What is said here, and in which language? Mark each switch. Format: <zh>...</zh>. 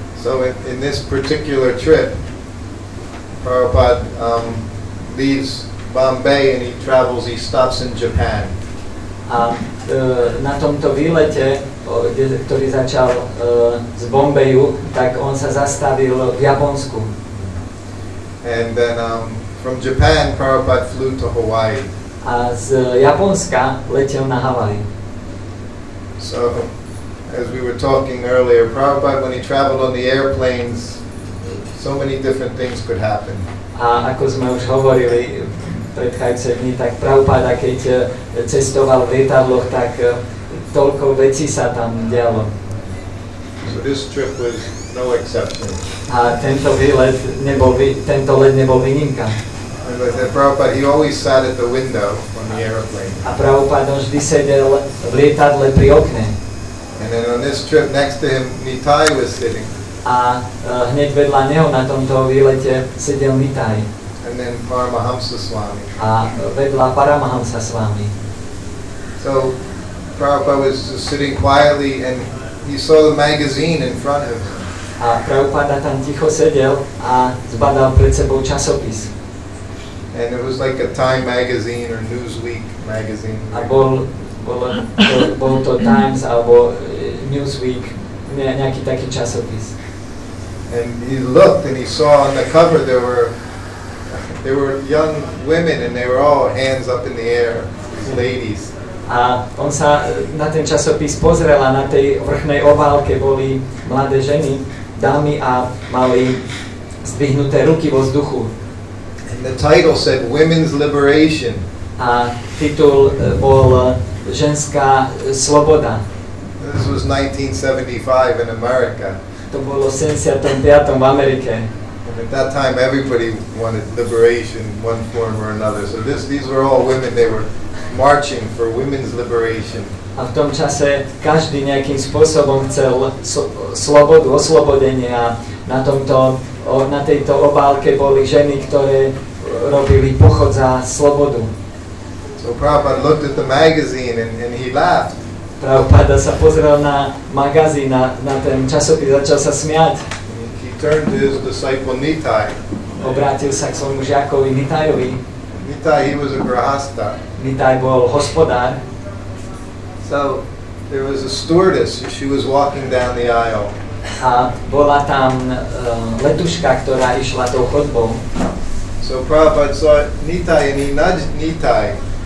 <en>So in this particular trip, Prabhupada leaves Bombay and he stops in Japan.</en> <sk>A na tomto výlete, ktorý začal z Bombeju, tak on sa zastavil v Japonsku.</sk> <en>And then from Japan, Prabhupada flew to Hawaii.</en> <sk>A z Japonska letel na Hawaii.</sk> <en>So, as we were talking earlier, Prabhupada, when he traveled on the airplanes, so many different things could happen.</en> <sk>A ako sme už hovorili predchádzajúce dni, tak Prabhupada, keď cestoval v lietadloch, tak toľko vecí sa tam dialo.</sk> <en>So this trip was no exception.</en> <sk>A tento výlet nebol, tento let nebol výnimka.</sk> <en>Prabhupada, he always sat at the window on the airplane.</en> <sk>A Prabhupada vždy sedel v lietadle pri okne.</sk> <en>And then on this trip next to him, Nitai was sitting.</en> <sk>A hneď vedľa neho na tomto výlete sedel Nitai.</sk> <en>And then Paramahamsa Swami.</en> <sk>A vedľa Paramahamsa Swami.</sk> <en>So Prabhupada was just sitting quietly and he saw the magazine in front of him.</en> <sk>A Prabhupada tam ticho sedel a zbadal pred sebou časopis.</sk> <en>And it was like a Time magazine or Newsweek magazine.</en> <sk>A bol to Times alebo Newsweek, nejaký taký časopis.</sk> <en>And he looked and he saw on the cover there were young women and they were all hands up in the air, these ladies.</en> <sk>A on sa na ten časopis pozrel a na tej vrchnej oválke boli mladé ženy, dámy a mali zdvihnuté ruky vo vzduchu.</sk> <en>And the title said Women's Liberation.</en> <sk>A titul bol Ženská sloboda.</sk> <en>This was 1975 in America.</en> <sk>To bolo 75. v Amerike.</sk> <en>And at that time everybody wanted liberation one form or another. So these were all women, they were marching for women's liberation.</en> <sk>A v tom čase každý nejakým spôsobom chcel slobodu, oslobodenie a na tejto obálke boli ženy, ktoré robili pochod za slobodu.</sk> <en>So Prabhupada looked at the magazine and he laughed.</en> <sk>Prabhupada sa pozrel na magazín a na ten časopis začal sa smiať.</sk> <en>He turned to his disciple Nitai.</en> <sk>Obrátil sa k svojmu žiakovi Nitajovi.</sk> <en>Nitai, he was a grahastha.</en> <sk>Nitai bol hospodár.</sk> <en>So there was a stewardess, she was walking down the aisle.</en> <sk>A bola tam letuška, ktorá išla tou chodbou.</sk> <en>So Prabhupada saw Nitai and he nudged Nitai.</en>